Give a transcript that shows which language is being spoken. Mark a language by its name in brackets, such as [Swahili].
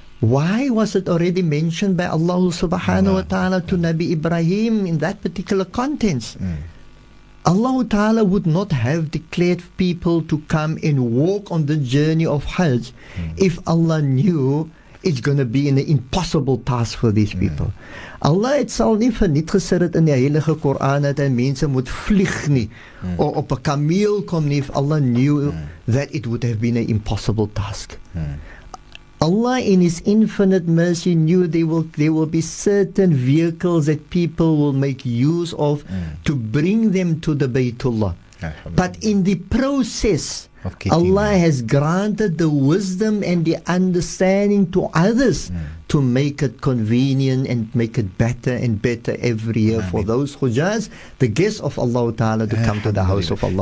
[English] Why was it already mentioned by Allah subhanahu wa ta'ala to Nabi Ibrahim in that particular context? Allah Ta'ala would not have declared people to come and walk on the journey of Hajj if Allah knew it's going to be an impossible task for these people. [Afrikaans] Allah het sal nie verniet gesit het in die heilige Koran dat mense moet vlieg nie of op 'n kameel kom nie. [English] Allah knew that it would have been an impossible task. Allah in his infinite mercy knew there will be certain vehicles that people will make use of to bring them to the Baytullah. But in the process, Allah has granted the wisdom and the understanding to others to make it convenient and make it better and better every year for those Hujjaz, the guests of Allah Ta'ala, to come to the house of Allah